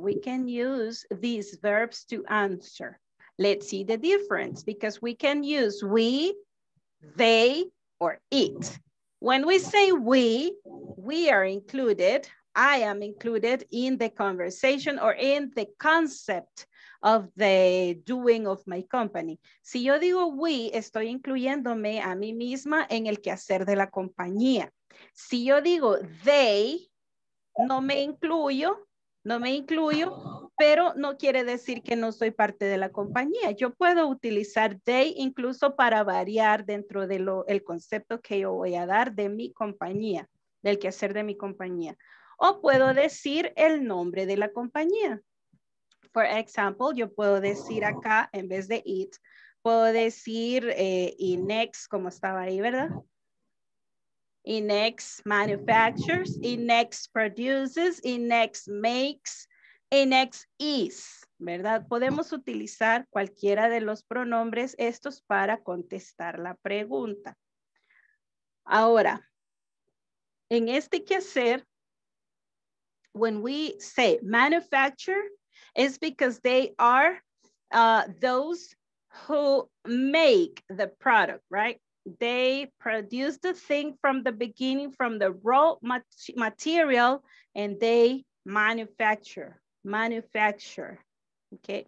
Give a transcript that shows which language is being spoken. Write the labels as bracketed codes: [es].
[en] We can use these verbs to answer. Let's see the difference, because we can use we, they, or it. When we say we are included, I am included in the conversation or in the concept of the doing of my company. [es] Si yo digo we, estoy incluyéndome a mí misma en el quehacer de la compañía. Si yo digo they, no me incluyo, pero no quiere decir que no soy parte de la compañía. Yo puedo utilizar they incluso para variar dentro de el concepto que yo voy a dar de mi compañía, del quehacer de mi compañía. O puedo decir el nombre de la compañía. [en] For example, [es] yo puedo decir acá, en vez de it, puedo decir INEX, como estaba ahí, ¿verdad? [en] INEX manufactures, INEX produces, INEX makes, INEX is, [es] ¿verdad? Podemos utilizar cualquiera de los pronombres estos para contestar la pregunta. Ahora, en este quehacer, [en] when we say manufacture, it's because they are those who make the product, right? They produce the thing from the beginning, from the raw material, and they manufacture, okay?